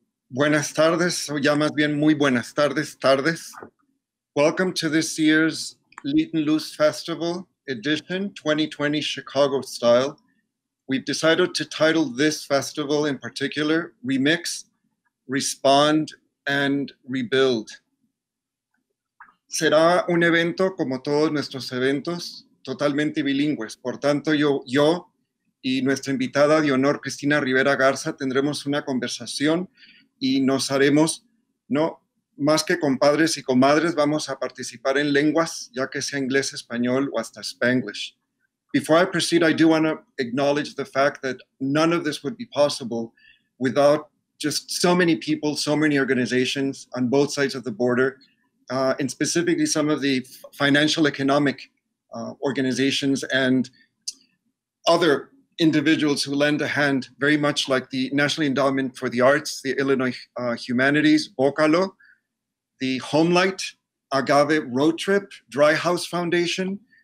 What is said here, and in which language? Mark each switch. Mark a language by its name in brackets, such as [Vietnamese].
[Spanish] Buenas tardes, o ya más bien muy buenas tardes, tardes. [English] Welcome to this year's Lit and Loose Festival Edition 2020 Chicago Style. We've decided to title this festival in particular Remix, Respond, and Rebuild. [Spanish] Será un evento como todos nuestros eventos, totalmente bilingües. Por tanto, yo y nuestra invitada de honor, Cristina Rivera Garza, tendremos una conversación y nos haremos, no más que compadres y comadres, vamos a participar en lenguas, ya que sea inglés, español o hasta Spanglish. [English] Before I proceed, I do want to acknowledge the fact that none of this would be possible without just so many people, so many organizations on both sides of the border, and specifically some of the financial economic organizations and other individuals who lend a hand, very much like the National Endowment for the Arts, the Illinois Humanities, Bocalo, the Homelight, Agave Road Trip, Dry House Foundation.